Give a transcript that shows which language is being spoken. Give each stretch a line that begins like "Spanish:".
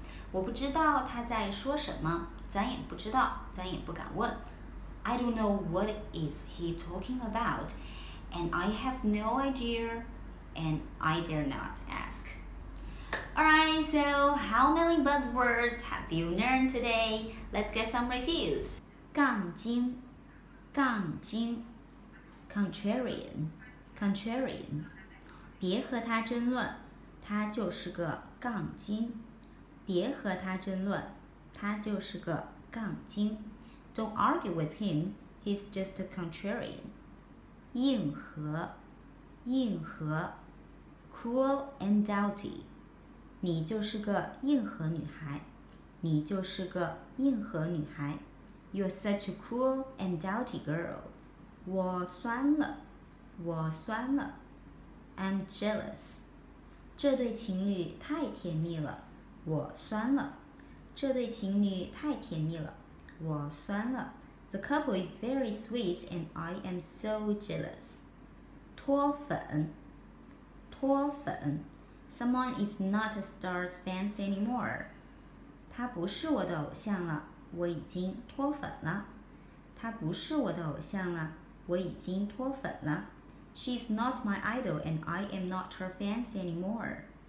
Chinese: 我不知道他在说什么,咱也不知道。
English: I don't know what is he talking about, and I have no idea, and I dare not ask. Alright, so how many buzzwords have you learned today? Let's get some reviews. 杠精, 杠精, contrarian, contrarian.
Chinese: 别和他争论, 他就是个杠精. 别和他争论, 他就是个杠精.
English: Don't argue with him, he's just a contrarian. 硬核, 硬核, cruel and dowdy.
Chinese: 你就是个硬核女孩, 你就是个硬核女孩.
English: You're such a cruel and dowdy girl.
Chinese: 我酸了, 我酸了.
English: I'm jealous.
Chinese: 这对情侣太甜蜜了, 我酸了. 这对情侣太甜蜜了.我酸了.
English: The couple is very sweet and I am so jealous.
Chinese: 脱粉。脱粉.
English: Someone is not a Stars fans anymore.
Chinese: 她不是我的偶像了,我已经脱粉了。她不是我的偶像了,我已经脱粉了.
English: She's not my idol and I am not her fans anymore.